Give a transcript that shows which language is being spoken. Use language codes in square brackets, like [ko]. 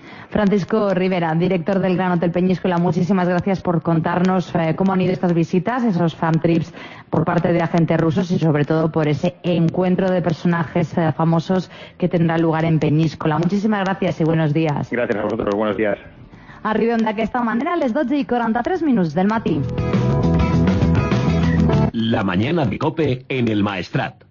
[es] Francisco Rivera, director del Gran Hotel Peñíscola, muchísimas gracias por contarnos cómo han ido estas visitas, esos fan trips por parte de agentes rusos y sobre todo por ese encuentro de personajes famosos que tendrá lugar en Peñíscola. Muchísimas gracias y buenos días. Gracias a vosotros, buenos días. [ca] Arribem d'aquesta manera a les 12 i 43 minuts del matí. [es] La mañana de COPE en el Maestrat.